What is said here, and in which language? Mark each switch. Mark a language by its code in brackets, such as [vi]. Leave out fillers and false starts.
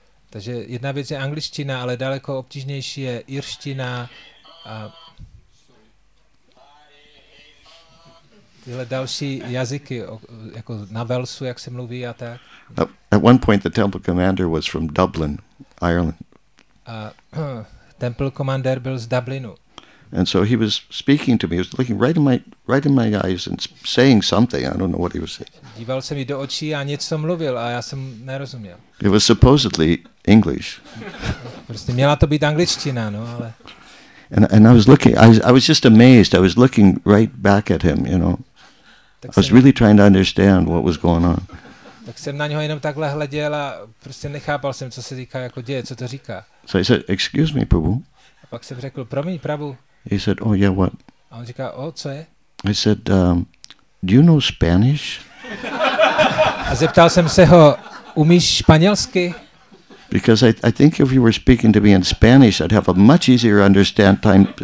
[cs] Takže jedna věc je angličtina, ale daleko obtížnější je irština. Tyhle další jazyky, jako na Velsu, jak se mluví a tak. [en] At one point the temple commander was from Dublin, Ireland. [cs] Temple commander byl z Dublinu. [en] And so he was speaking to me, he was looking right in my eyes and saying something, I don't know what he was saying. [cs] Díval se mi do očí a něco mluvil a já jsem nerozuměl. [en] It was supposedly English. [cs] Prostě měla to být angličtina, no, ale... [en] And I was looking, I was just amazed, I was looking right back at him, you know. I was really trying to understand what was going on. [cs] Tak jsem na něho jenom takhle hleděl a prostě nechápal jsem, co se říká, jako děje, co to říká. [en] So I said, excuse me, Prabhu. [cs] A pak jsem řekl, promiň, Prabhu. [en] He said, oh yeah, what? [cs] A on říká, oh, co je? [en] I said, do you know Spanish? [cs] A zeptal jsem se ho, umíš španělsky? [en] Because I think if you were speaking to me in Spanish, I'd have a much easier understanding.